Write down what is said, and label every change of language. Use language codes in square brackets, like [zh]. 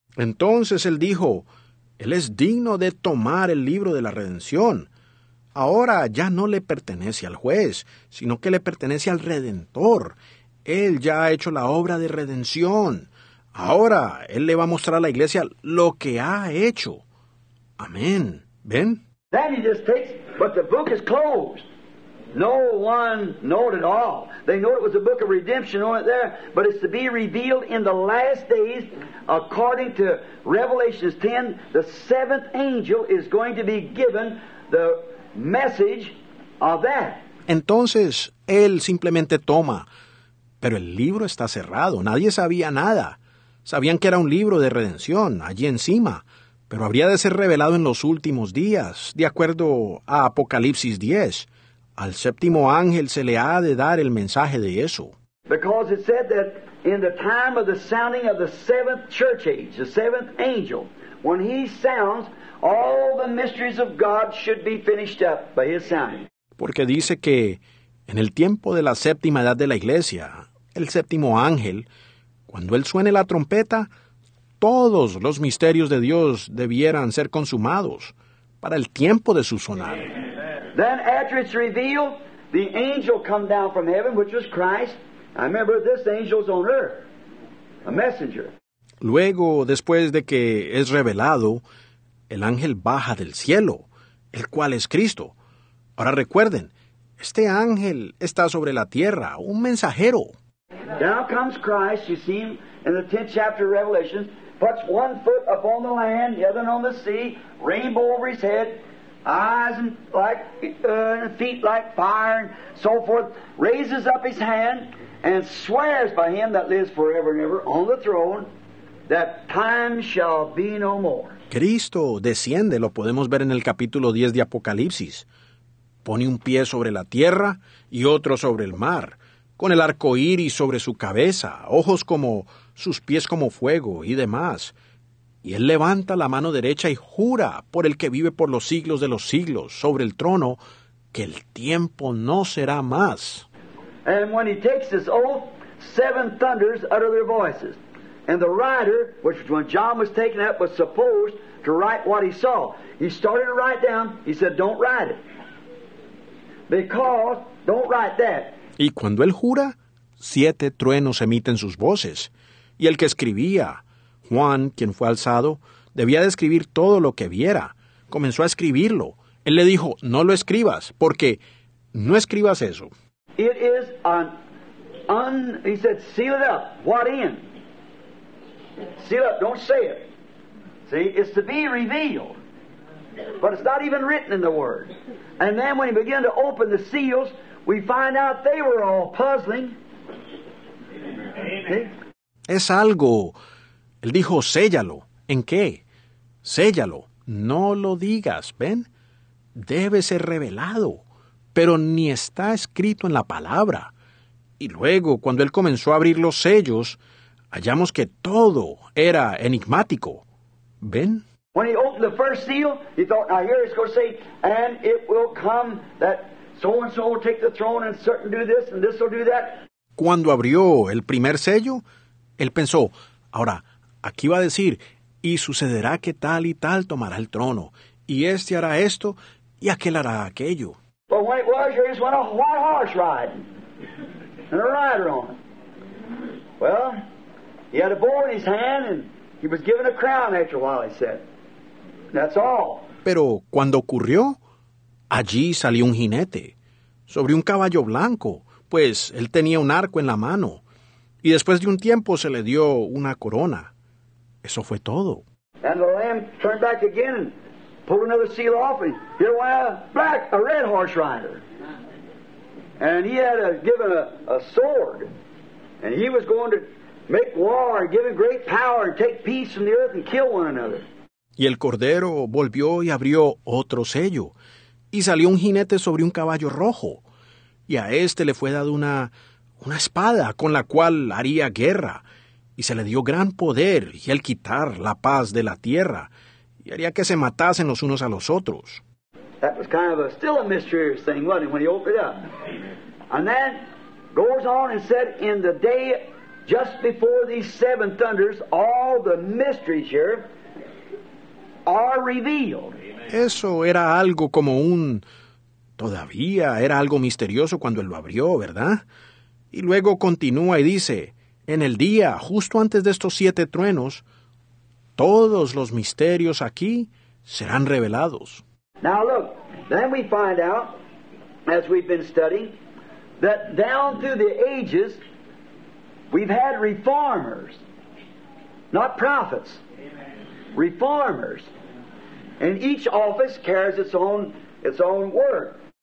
[es] Entonces él dijo, él es digno de tomar el libro de la redención. Ahora ya no le pertenece al juez, sino que le pertenece al Redentor. Él ya ha hecho la obra de redención. Ahora, él le va a mostrar a la iglesia lo que ha hecho. Amén. ¿Ven? [en] Then he just takes, but the book is closed. No one knew it at all. They knew it was a book of redemption on it there, but it's to be revealed in the last days, according to Revelation 10, the seventh angel is going to be given the message of that. [es] Entonces, él simplemente toma, pero el libro está cerrado. Nadie sabía nada. Sabían que era un libro de redención allí encima, pero habría de ser revelado en los últimos días, de acuerdo a Apocalipsis 10. Al séptimo ángel se le ha de dar el mensaje de eso. [en] Because it said that in the time of the sounding of the seventh church age, the seventh angel, when he sounds, all the mysteries of God should be finished up by his sounding. [es] Porque dice que en el tiempo de la séptima edad de la iglesia, el séptimo ángel, cuando él suene la trompeta, todos los misterios de Dios debieran ser consumados para el tiempo de su sonar. [en] Then after it's revealed, the angel come down from heaven, which was Christ. I remember this angel's on earth, a messenger. [es] Luego, después de que es revelado, el ángel baja del cielo, el cual es Cristo. Ahora recuerden, este ángel está sobre la tierra, un mensajero. [en] Now comes Christ, you see him in the 10th chapter of Revelation, puts one foot upon the land, the other on the sea, rainbow over his head, eyes and like feet like fire, and so forth, raises up his hand and swears by him that lives forever and ever on the throne that time shall be no more. [es] Cristo desciende, lo podemos ver en el capítulo 10 de Apocalipsis. Pone un pie sobre la tierra y otro sobre el mar, con el arco iris sobre su cabeza, ojos como sus pies como fuego y demás. Y él levanta la mano derecha y jura por el que vive por los siglos de los siglos sobre el trono que el tiempo no será más. [en] And when he takes his oath, seven thunders utter their voices. And the writer, which when John was taken up, was supposed to write what he saw. He started to write down, he said, don't write it. Because, don't write that. [es] Y cuando él jura, siete truenos emiten sus voces. Y el que escribía, Juan, quien fue alzado, debía de escribir todo lo que viera. Comenzó a escribirlo. Él le dijo, no lo escribas, porque no escribas eso. [en] It is an he said, seal it up. What in? Seal up, don't say it. See, it's to be revealed. But it's not even written in the Word. And then when he began to open the seals, we find out they were all puzzling. Okay. [es] Es algo. Él dijo, séllalo. ¿En qué? Séllalo. No lo digas, ¿ven? Debe ser revelado. pero ni está escrito en la palabra. Y luego, cuando él comenzó a abrir los sellos, hallamos que todo era enigmático. ¿Ven? [en] When he opened the first seal, he thought, now here it's going to say, and it will come that so and so will take the throne and certain do this and this will do that. [es] Cuando abrió el primer sello, él pensó, ahora, aquí va a decir, y sucederá que tal y tal tomará el trono, y este hará esto, y aquel hará aquello. [en] But when it was, you just went a white horse riding, and a rider on it. Well, he had a bow in his hand, and he was given a crown after a while, he said. That's all. [es] Pero cuando ocurrió, allí salió un jinete, sobre un caballo blanco, pues él tenía un arco en la mano. Y después de un tiempo se le dio una corona. Eso fue todo. [en] And the lamb turned back again and pulled another seal off and here went back a red horse rider. And he had given a sword. And he was going to make war and give him great power and take peace from the earth and kill one another. [es] Y el cordero volvió y abrió otro sello. Y salió un jinete sobre un caballo rojo. Y a este le fue dado una espada con la cual haría guerra. Y se le dio gran poder y el quitar la paz de la tierra. Y haría que se matasen los unos a los otros. [en] That was kind of still a mysterious thing, wasn't it, when he opened it up. And then goes on and said, in the day just before these seven thunders, all the mysteries here are revealed. [es] Eso era algo como un... Todavía era algo misterioso cuando él lo abrió, ¿verdad? Y luego continúa y dice, en el día, justo antes de estos siete truenos, todos los misterios aquí serán revelados. [en] Now look, then we find out, as we've been studying, that down through the ages, we've had reformers, not prophets, reformers. And each office carries its own work.